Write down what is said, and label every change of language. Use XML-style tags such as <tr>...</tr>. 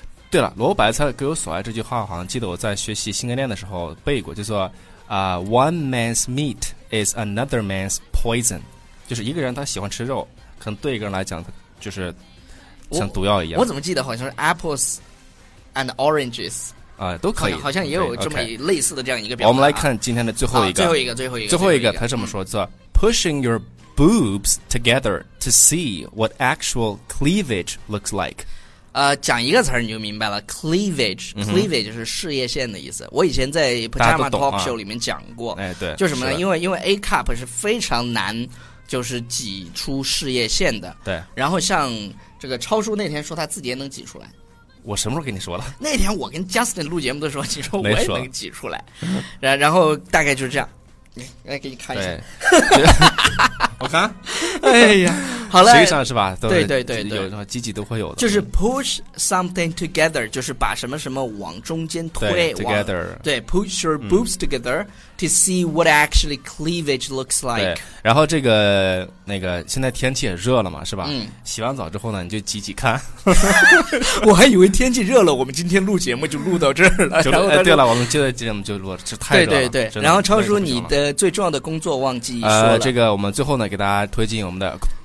<zh>对了，萝卜白菜各有所爱这句话，好像记得我在学习性格练的时候背过，就说</zh> <en>one man's meat is another man's poison，</en> <zh>就是一个人他喜欢吃肉，可能对一个人来讲。就是像毒药一样，我怎么记得好像是</zh> <en>apples and oranges</en> <zh>啊，都可以，好像也有这么类似的这样一个表达。我们来看今天的最后一个，最后一个，最后一个，最后一个，他这么说，叫</zh> <en>pushing your boobs together to see what actual cleavage looks like.</en> <zh>讲一个词儿你就明白了 ，cleavage，、mm-hmm. cleavage 就是事业线的意思。我以前在 Pajama Talk Show 里面讲过，哎，对，就什么呢？因为 A cup 是非常难，就是挤出事业线的。对，然后像这个超叔那天说他自己也能挤出来。我什么时候跟你说了？那天我跟 Justin 录节目的时候，你说我也能挤出来，然后大概就是这样。来给你看一下，我看，哎呀，好了，实际上是吧？对对对对，有什么积极都会有的。就是</zh> <en>push something together，</en> <zh>就是把什么什么往中间推。</zh> <en>Together，对 ，push your boobs together to see what actually cleavage looks like。</en> <zh>然后这个那个，现在天气也热了嘛，是吧？嗯。洗完澡之后呢，你就挤挤看。我还以为天气热了，我们今天录节目就录到这儿了。然后对了，我们今天节目就录，这太热了。对对对。然后超叔，你的最重要的工作忘记说了。这个我们最后呢，给大家推进我们的。</zh>